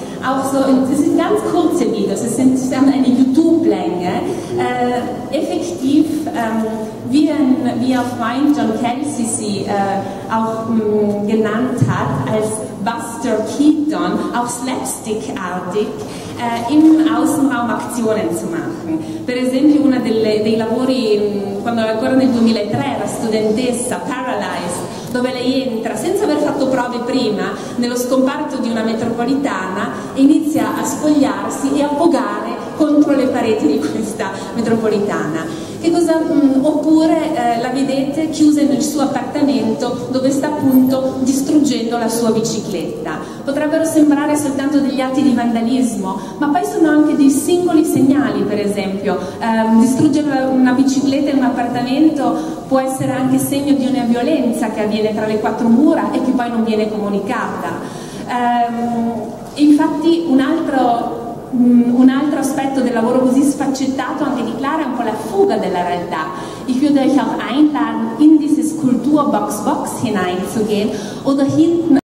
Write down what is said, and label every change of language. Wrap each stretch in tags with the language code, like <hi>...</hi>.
<de>Auch so, das sind ganz kurze Videos, es sind dann eine YouTube-Länge, effektiv, wie ihr Freund John Kelsey sie auch genannt hat, als Buster Keaton, auch slapstick-artig, im Außenraum Aktionen zu machen.</de> <it>Per esempio, una dei lavori, quando ancora nel 2003 era studentessa, Paralyzed, dove lei entra senza aver fatto prove prima nello scomparto di una metropolitana e inizia a spogliarsi e a vogare contro le pareti di questa metropolitana. Che cosa, oppure la vedete chiusa nel suo appartamento dove sta appunto distruggendo la sua bicicletta. Potrebbero sembrare soltanto degli atti di vandalismo, ma poi sono anche dei singoli segnali, per esempio. Distruggere una bicicletta in un appartamento può essere anche segno di una violenza che avviene tra le quattro mura e che poi non viene comunicata. Infatti un altro aspetto del lavoro così sfaccettato anche di Clara è un po' la fuga della realtà.</it> <de>Ich würde euch auch einladen, in diese Skulpturbox hineinzugehen oder hinten</de>